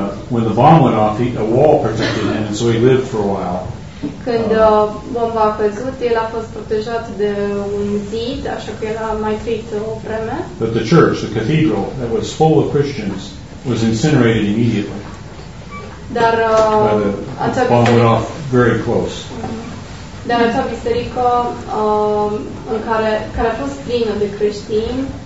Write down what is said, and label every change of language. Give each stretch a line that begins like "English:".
English: When the bomb went off, a wall protected him, and so he lived for a while.
Romanian: Când bomba a căzut, el a fost protejat de un zid, așa că el a mai trăit o vreme.
English: But the church, the cathedral, that was full of Christians, was incinerated immediately.
Romanian: Dar
English: the bomb went off very close.
Romanian: Dar acea biserică în care a fost plină de creștini.